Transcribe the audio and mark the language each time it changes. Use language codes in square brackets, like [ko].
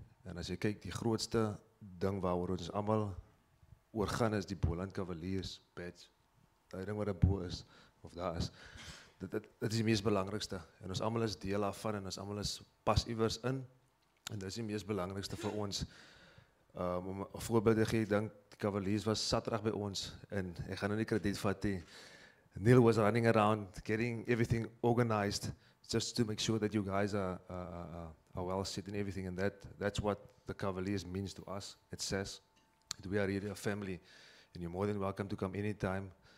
[af] En as jy kyk, die grootste ding waaroor ons almal oor gaan is die Boland Cavaliers badge. Daai ding wat daar bo is of daar is. Dit is die mees belangrikste en ons almal is deel daarvan en ons almal is pas iewers in. En dit is die mees belangrikste vir ons. Om een voorbeeld te gee, ek dink die Cavaliers was saterdag by ons en ek gaan nou nie krediet vat nie. [en] Neil was running around, getting everything organized just to make sure that you guys are well set and everything and that's what the Cavaliers means to us. It says that we are really a family and you're more than welcome to come anytime.